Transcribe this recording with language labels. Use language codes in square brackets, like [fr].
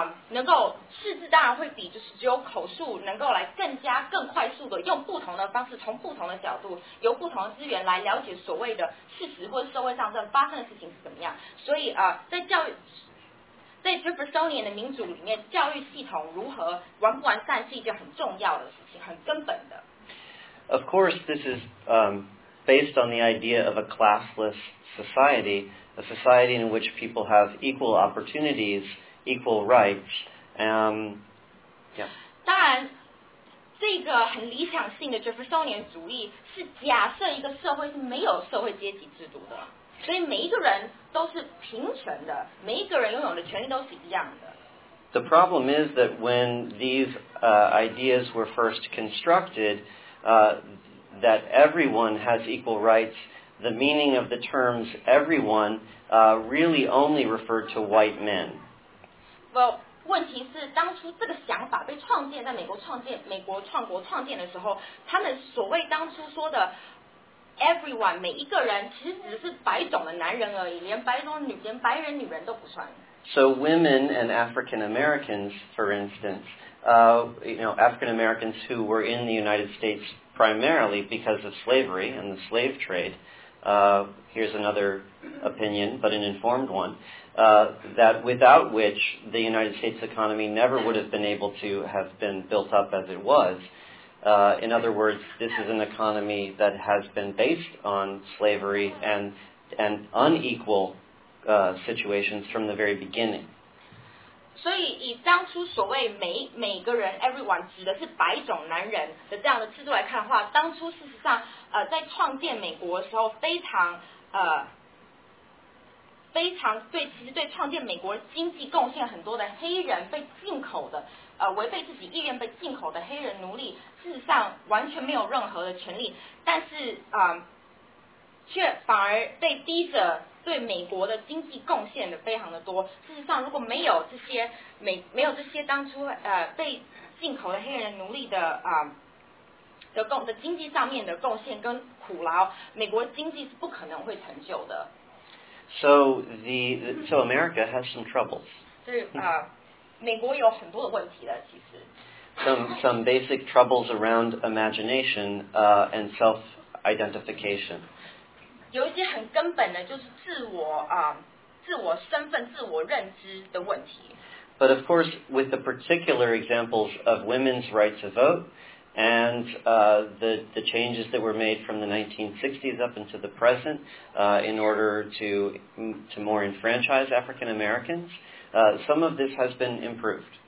[zh] 能够识字当然会比就是只有口述能够来更加更快速的用不同的方式从不同的角度由不同的资源来了解所谓的事实或者社会上正发生的事情是怎么样，所以在教育在 Jeffersonian 的民主里面教育系统如何完不完善是一件很重要的事情，很根本的。 [en] Of course this is based on the idea of a classless society, a society in which people have equal opportunities,equal rights. Yeah. [zh] 当然，这个很理想性的 Jeffersonian 主义是假设一个社会是没有社会阶级制度的，所以每一个人都是平权的，每一个人拥有的权利都是一样的。 [en] The problem is that when these ideas were first constructed, that everyone has equal rights, the meaning of the terms everyone really only referred to white men. [zh] Well, 问题是当初这个想法被创建在美国创国创建的时候，他们所谓当初说的 everyone 每一个人其实只是白种的男人而已，连白人女人都不算。 [en] So women and African Americans, for instance, you know, African Americans who were in the United States primarily because of slavery and the slave trade, here's another opinion, but an informed one. That without which the United States economy never would have been able to have been built up as it was. In other words, this is an economy that has been based on slavery and unequal situations from the very beginning. [zh] 所以以当初所谓每个人 everyone 指的是白种男人的这样的制度来看的话，当初事实上在创建美国的时候非常对创建美国经济贡献很多的黑人被进口的违背自己意愿被进口的黑人奴隶事实上完全没有任何的权利，但是却反而被逼着对美国的经济贡献的非常的多，事实上如果没有这些当初被进口的黑人奴隶的经济上面的贡献跟苦劳，美国经济是不可能会成就的。 [en] So so America has some troubles. [zh] 美国有很多的问题的，其实。 [en] Some basic troubles around imagination and self-identification. [zh] 有一些很根本的，就是自我身份、自我认知的问题。 [en] But of course, with the particular examples of women's right to vote and the changes that were made from the 1960s up into the present in order to more enfranchise African Americans, some of this has been improved.